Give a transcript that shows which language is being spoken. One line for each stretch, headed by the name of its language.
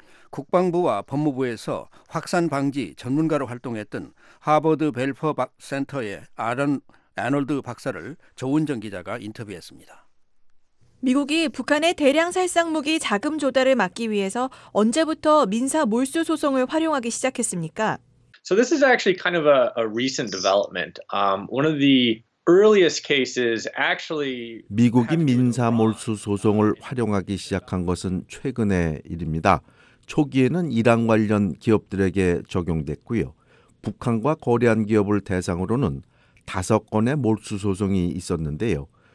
Korean: 국방부와 법무부에서 확산 방지 전문가로 활동했던 하버드 벨퍼 센터의 아런 애널드 박사를 조은정 기자가 인터뷰했습니다. 미국이 북한의 대량 살상 무기 자금 조달을 막기 위해서 언제부터 민사 몰수 소송을 활용하기 시작했습니까?
English: So this is actually kind of a recent development. One of the earliest cases actually
Korean: 미국이 민사 몰수 소송을 활용하기 시작한 것은 최근의 일입니다. 초기에는 이란 관련 기업들에게 적용됐고요. 북한과 거래한 기업을 대상으로는 다섯 건의 몰수 소송이 있었는데요.